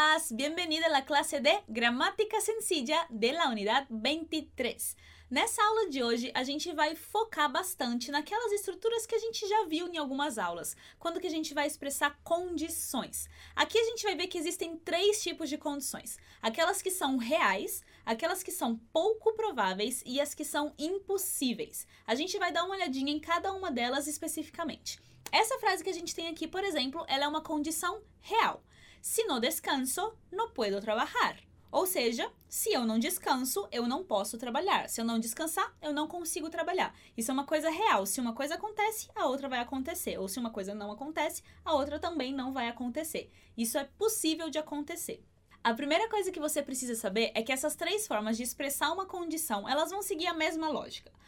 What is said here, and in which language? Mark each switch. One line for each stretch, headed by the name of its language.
Spanish: Bienvenida a la clase de Gramática Sencilla de la Unidad 23.
Portuguese: Nessa aula de hoje, a gente vai focar bastante naquelas estruturas que a gente já viu em algumas aulas, quando que a gente vai expressar condições. Aqui a gente vai ver que existem três tipos de condições. Aquelas que são reais, aquelas que são pouco prováveis e as que são impossíveis. A gente vai dar uma olhadinha em cada uma delas especificamente. Essa frase que a gente tem aqui, por exemplo, ela é uma condição real.
Spanish: Si no descanso, no puedo trabajar.
Portuguese: Ou seja, se eu não descanso, eu não posso trabalhar. Se eu não descansar, eu não consigo trabalhar. Isso é uma coisa real. Se uma coisa acontece, a outra vai acontecer. Ou se uma coisa não acontece, a outra também não vai acontecer. Isso é possível de acontecer. A primeira coisa que você precisa saber é que essas três formas de expressar uma condição, elas vão seguir a mesma lógica.